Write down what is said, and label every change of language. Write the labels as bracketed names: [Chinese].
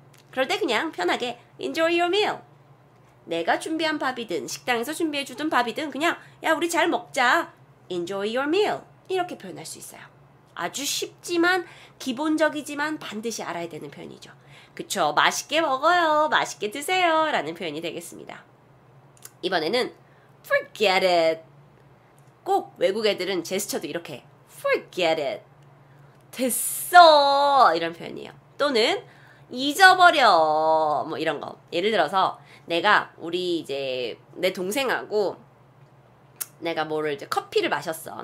[Korean] 그럴 때 그냥 편하게 [English] enjoy your meal. [Korean] 내가 준비한 밥이든 식당에서 준비해주든 밥이든 그냥 야 우리 잘 먹자. [English] enjoy your meal. [Korean] 이렇게 표현할 수 있어요. 아주 쉽지만 기본적이지만 반드시 알아야 되는 표현이죠. 그쵸? 맛있게 먹어요. 맛있게 드세요. 라는 표현이 되겠습니다. 이번에는 [English] forget it. [Korean] 꼭 외국 애들은 제스처도 이렇게 [English] forget it. [Korean] 됐어. 이런 표현이에요. 또는 잊어버려. 뭐 이런 거. 예를 들어서 내가 우리 이제 내 동생하고 내가 뭐를 이제 커피를 마셨어.